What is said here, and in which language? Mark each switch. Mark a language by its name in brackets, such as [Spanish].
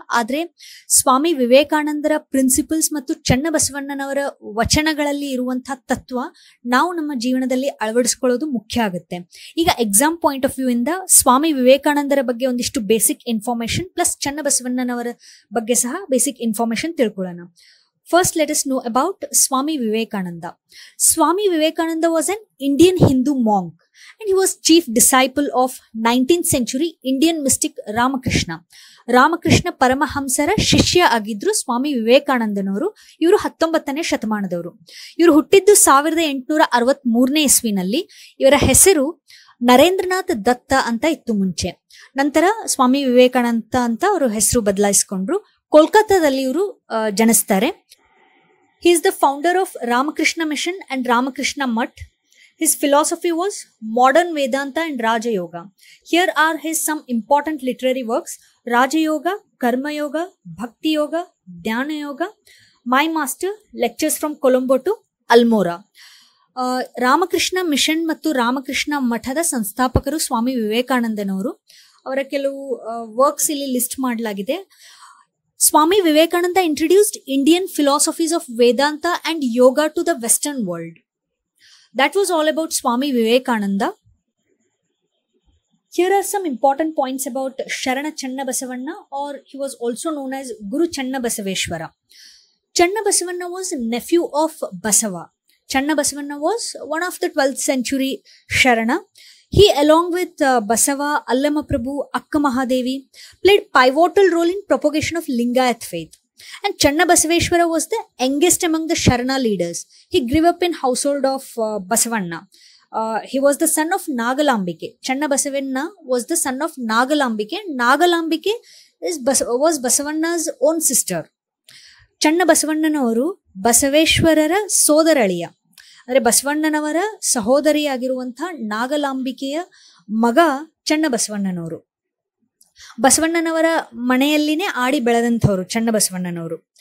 [Kannada] ಆದರೆ ಸ್ವಾಮಿ ವಿವೇಕಾನಂದರ ಪ್ರಿನ್ಸಿಪಲ್ಸ್ ಮತ್ತು ಚನ್ನಬಸವಣ್ಣನವರ ವಚನಗಳಲ್ಲಿ ಇರುವಂಥ ತತ್ವ ನಾವು ನಮ್ಮ ಜೀವನದಲ್ಲಿ ಅಳವಡಿಸ್ಕೊಳ್ಳೋದು ಮುಖ್ಯ ಆಗುತ್ತೆ. ಈಗ ಎಕ್ಸಾಮ್ ಪಾಯಿಂಟ್ ಆಫ್ ವ್ಯೂ ಇಂದ ಸ್ವಾಮಿ ವಿವೇಕಾನಂದರ ಬಗ್ಗೆ ಒಂದಿಷ್ಟು ಬೇಸಿಕ್ ಇನ್ಫಾರ್ಮೇಷನ್ ಪ್ಲಸ್ ಚನ್ನಬಸವಣ್ಣನವರ ಬಗ್ಗೆ ಸಹ ಬೇಸಿಕ್ ಇನ್ಫಾರ್ಮೇಷನ್ ತಿಳ್ಕೊಳ್ಳೋಣ. [English] First, let us know about Swami Vivekananda. Swami Vivekananda was an Indian Hindu monk and he was chief disciple of 19th century Indian mystic Ramakrishna. [Kannada] Ramakrishna ಪರಮಹಂಸರ ಶಿಷ್ಯ ಆಗಿದ್ದರು ಸ್ವಾಮಿ ವಿವೇಕಾನಂದನವರು. ಇವರು 19ನೇ ಶತಮಾನದವರು. ಇವರು ಹುಟ್ಟಿದ್ದು 1863ನೇ ಇಸ್ವಿನಲ್ಲಿ. ಇವರ ಹೆಸರು ನರೇಂದ್ರನಾಥ್ ದತ್ತ ಅಂತ ಇತ್ತು ಮುಂಚೆ. ನಂತರ ಸ್ವಾಮಿ ವಿವೇಕಾನಂದ ಅಂತ ಅವರು ಹೆಸರು ಬದಲಾಯಿಸಿಕೊಂಡ್ರು. ಕೋಲ್ಕತ್ತಾದಲ್ಲಿ ಇವರು ಜನಿಸ್ತಾರೆ. [English] He is the founder of Ramakrishna Mission and Ramakrishna Math. [Kannada] His philosophy was modern Vedanta and ರಾಜಯೋಗ. Here are his some important literary works: ರಾಜಯೋಗ, ಕರ್ಮಯೋಗ, ಭಕ್ತಿಯೋಗ, ಧ್ಯಾನಯೋಗ, ಮೈ master, lectures from Colombo to Almora. Ramakrishna mission ಮತ್ತು ರಾಮಕೃಷ್ಣ ಮಠದ ಸಂಸ್ಥಾಪಕರು ಸ್ವಾಮಿ ವಿವೇಕಾನಂದನವರು. ಅವರ ಕೆಲವು ವರ್ಕ್ಸ್ ಇಲ್ಲಿ ಲಿಸ್ಟ್ ಮಾಡಲಾಗಿದೆ. [English] Swami Vivekananda introduced Indian philosophies of Vedanta and Yoga to the Western world. That was all about Swami Vivekananda. Here are some important points about Sharana Channabasavanna, or he was also known as Guru Channabasaveshwara. Channabasavanna was nephew of Basava. Channabasavanna was one of the 12th century Sharana. He, along with Basava, Allama Prabhu, Akka Mahadevi, played pivotal role in propagation of Lingayat faith. And Channabasaveshwara was the youngest among the Sharana leaders. He grew up in household of Basavanna. He was the son of Nagalambike. Channabasavanna was the son of Nagalambike. Nagalambike was Basavanna's own sister. [Kannada] ಚನ್ನಬಸವಣ್ಣನವರು ಬಸವೇಶ್ವರರ ಸೋದರಳಿಯ, ಅಂದರೆ ಬಸವಣ್ಣನವರ ಸಹೋದರಿಯಾಗಿರುವಂಥ ನಾಗಲಾಂಬಿಕೆಯ ಮಗ ಚನ್ನಬಸವಣ್ಣನವರು. ಬಸವಣ್ಣನವರ ಮನೆಯಲ್ಲಿನೇ ಆಡಿ ಬೆಳೆದಂಥವರು ಚನ್ನಬಸವಣ್ಣನವರು.